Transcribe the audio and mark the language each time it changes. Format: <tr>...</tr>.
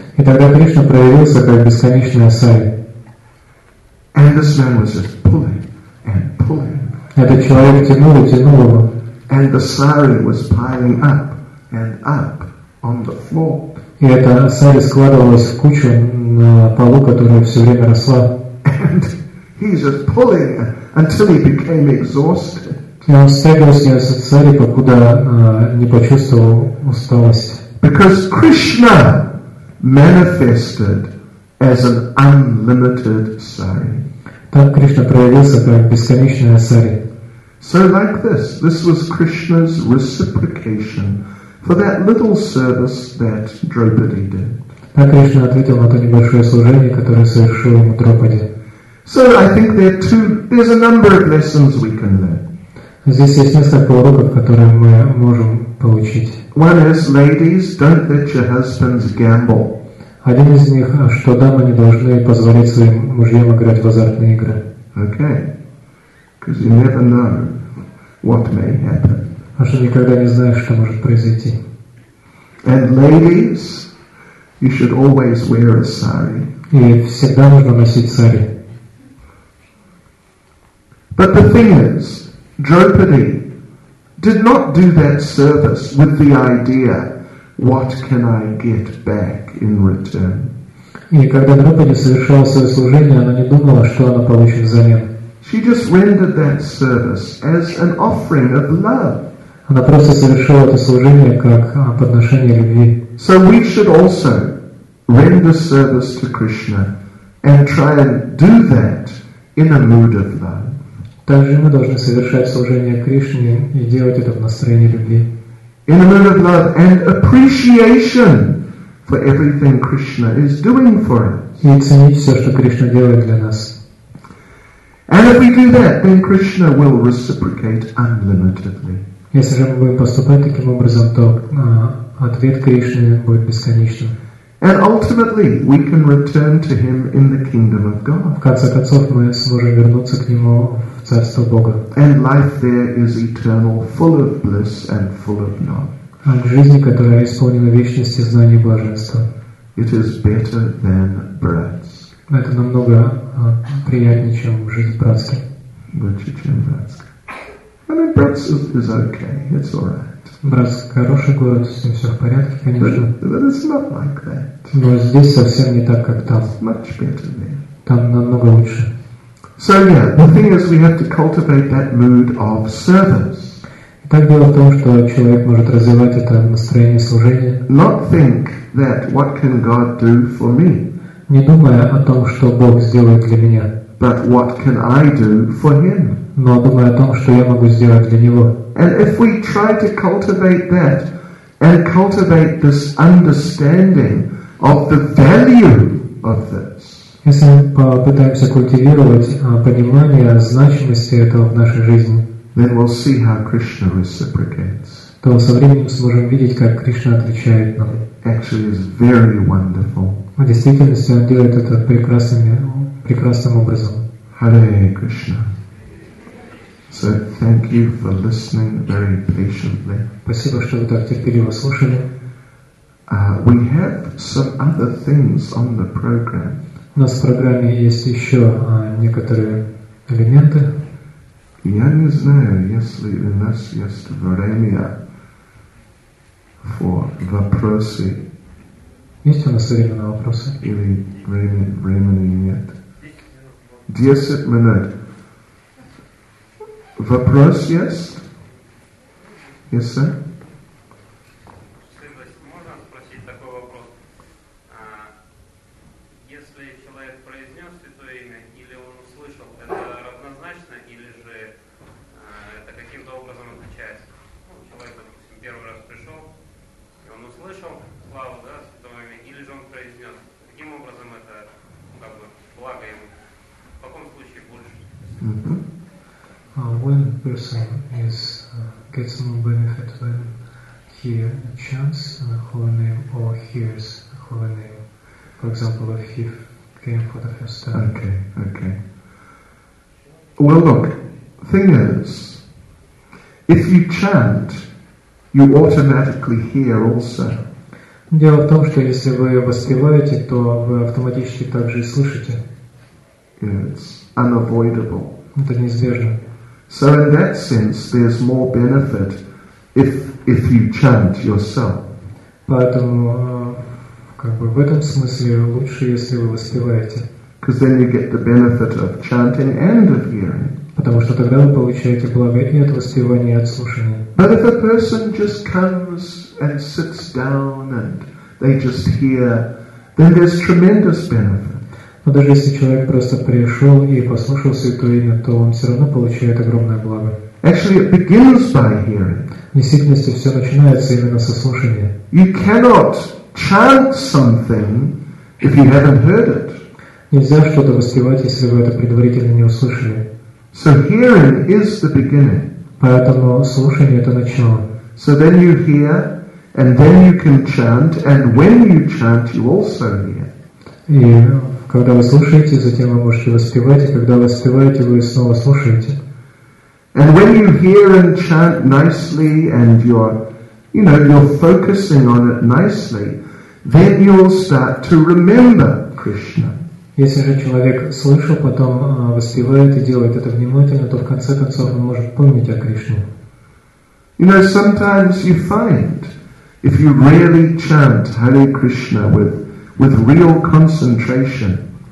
<ru>И тогда Кришна проявился как бесконечная сари.</ru> <en>And this man was just pulling and pulling.</en> <ru>Этот человек тянул и тянул его.</ru> <en>And the sari was piling up and up on the floor.</en> <ru>И эта сари складывалась в кучу на полу, которая все время росла.</ru> <en>And he's just pulling until he became exhausted.</en> <ru>И он стягивал с нее сари, покуда не почувствовал усталость.</ru> <en>Because Krishna manifested as an unlimited sari.</en> <ru>Так Кришна проявился как бесконечная сари.</ru> <en>So like this, this was Krishna's reciprocation for that little service that Draupadi did.</en> <ru>Так Кришна ответил на то небольшое служение, которое совершил ему Драупади.</ru> <en>So I think there's a number of lessons we can learn.</en> <ru>Здесь есть несколько уроков, которые мы можем получить.</ru> <en>One is, ladies, don't let your husbands gamble.</en> <ru>Один из них, что дамы не должны позволить своим мужьям играть в азартные игры.</ru> <en>Okay. Because you never know what may happen.</en> <ru>А что никогда не знаешь, что может произойти.</ru> <en>And ladies, you should always wear a sari.</en> <ru>И всегда нужно носить сари.</ru> <en>But the thing is, Draupadi did not do that service with the idea, what can I get back in return?</en> <ru>И когда Драупади совершала свое служение, она не думала, что она получит взамен.</ru> <en>She just rendered that service as an offering of love.</en> <ru>Она просто совершила это служение как подношение любви.</ru> <en>So we should also render service to Krishna and try and do that in a mood of love.</en> <ru>Также мы должны совершать служение Кришне и делать это в настроении любви.</ru> <en>In a mood of love and appreciation for everything Krishna is doing for us.</en> <ru>И ценить все, что Кришна делает для нас.</ru> <en>And if we do that, then Krishna will reciprocate unlimitedly.</en> <ru>Если же мы будем поступать таким образом, то ответ Кришны будет бесконечным.</ru> <en>And ultimately, we can return to Him in the kingdom of God.</en> <ru>В конце концов, мы сможем вернуться к Нему в Царство Бога.</ru> <en>And life there is eternal, full of bliss and full of knowledge.</en> <ru>А жизнь, которая исполнена вечности, знания и блаженства.</ru> <en>It is better than brats.</en> <ru>Это намного приятнее, чем жизнь братской. Больше, чем братская.</ru> <en>I mean, brats is okay, it's all right.</en> <ru>Братск хороший город, с ним все в порядке, конечно.</ru> <en>But it's not like that.</en> <ru>Но здесь совсем не так, как там.</ru> <en>Much better there.</en> <ru>Там намного лучше.</ru> <en>So yeah, the thing is, we have to cultivate that mood of service.</en> <ru>Итак, дело в том, что человек может развивать это настроение служения.</ru> <en>Not think that what can God do for me.</en> <ru>Не думая о том, что Бог сделает для меня.</ru> <en>But what can I do for Him?</en> <ru>Но думая о том, что я могу сделать для Него.</ru> <en>And if we try to cultivate that and cultivate this understanding of the value of this.</en> <ru>Если мы попытаемся культивировать понимание значимости этого в нашей жизни,</ru> <en>then we'll see how Krishna reciprocates.</en> <ru>То со временем мы сможем видеть, как Кришна отвечает нам.</ru> <en>Actually is very wonderful.</en> <ru>В действительности он делает это прекрасным образом.</ru> <en>Hare Krishna. So thank you for listening very patiently.</en> <ru>Спасибо, что вы так терпеливо слушали.</ru> <en>We have some other things on the program.</en> <ru>У нас в программе есть еще некоторые элементы. Я не знаю, если у нас есть время</ru> <en>for</en> <ru>вопросы. Есть у нас время на вопросы? Или времени нет? 10 минут. Вопрос есть?</ru> <en>Yes, sir?</en> <ru>Можно спросить такой вопрос? Если человек произнес святое имя, или он услышал, это равнозначно, или же это каким-то образом отличается? Ну, человек, допустим, первый раз пришел, и он услышал славу, да, святое имя, или же он произнес. Каким образом это, ну, как бы, благо ему? В каком случае больше? Mm-hmm.</ru> <en>when a person is gets no benefit when he chants a holy name or hears a holy name, for example, if he came for the first time. Okay. Well, look, thing is, if you chant, you automatically hear also.</en> <ru>Дело в том, что если вы воспеваете, то вы автоматически также и слышите.</ru> <en>It's unavoidable.</en> <ru>Это неизбежно.</ru> <en>So in that sense, there's more benefit if you chant yourself.</en> <ru>Поэтому, как бы, в этом смысле лучше, если вы воспеваете.</ru> <en>Because then you get the benefit of chanting and of hearing.</en> <ru>Потому что тогда вы получаете благо и от воспевания, и от слушания.</ru> <en>But if a person just comes and sits down and they just hear, then there's tremendous benefit.</en> <ru>Но даже если человек просто пришел и послушал Святое Имя, то он все равно получает огромное благо.</ru> <en>Actually, it begins by hearing.</en> <ru>В действительности все начинается именно со слушания.</ru> <en>You cannot chant something if you haven't heard it.</en> <ru>Нельзя что-то воспевать, если вы это предварительно не услышали.</ru> <en>So hearing is the beginning.</en> <ru>Поэтому слушание — это начало.</ru> <en>So then you hear, and then you can chant, and when you chant, you also hear.</en> <ru>И когда вы слушаете, затем вы можете воспевать, и когда вы воспеваете, вы снова слушаете.</ru> <en>And when you hear and chant nicely, and you're focusing on it nicely, then you'll start to remember Krishna.</en> <ru>Если же человек слышал, потом воспевает и делает это внимательно, то в конце концов он может помнить о Кришне.</ru> <en>Sometimes you find, if you really chant Hare Krishna with real concentration.</en>